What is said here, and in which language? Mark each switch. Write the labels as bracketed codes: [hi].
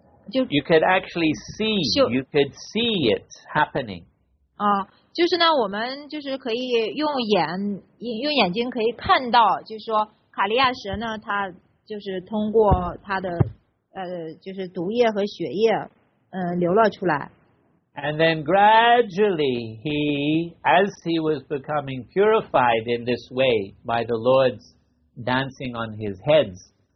[en] You could actually see, you could see it happening. [zh] 就是呢，我们就是可以用眼睛可以看到，就是说卡利亚蛇呢，它就是通过它的就是毒液和血液，流了出来。 [en] And then gradually, he, as he was becoming purified in this way by the Lord's dancing on his heads.